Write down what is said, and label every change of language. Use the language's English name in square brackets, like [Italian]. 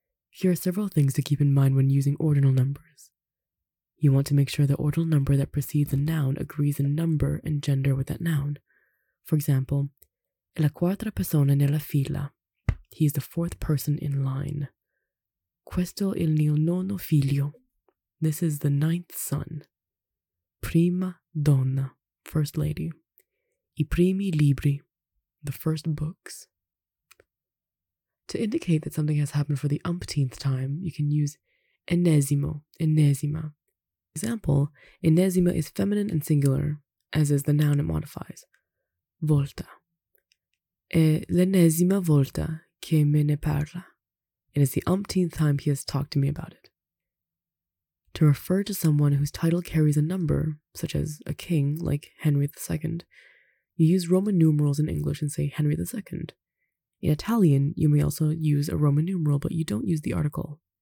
[English] Here are several things to keep in mind when using ordinal numbers. You want to make sure the ordinal number that precedes a noun agrees in number and gender with that noun. [Italian] For example, è la quarta persona nella fila. [English] He is the fourth person in line. [Italian] Questo è il mio nono figlio. [English] This is the ninth son. [Italian] Prima donna, [English] first lady. [Italian] I primi libri, [English] the first books. To indicate that something has happened for the umpteenth time, you can use ennesimo, ennesima. Example, ennesima is feminine and singular, as is the noun it modifies. [Italian] Volta. È l'ennesima volta che me ne parla. [English] It is the umpteenth time he has talked to me about it. To refer to someone whose title carries a number, such as a king, like Henry II, you use Roman numerals in English and say Henry II. In Italian, you may also use a Roman numeral, but you don't use the article.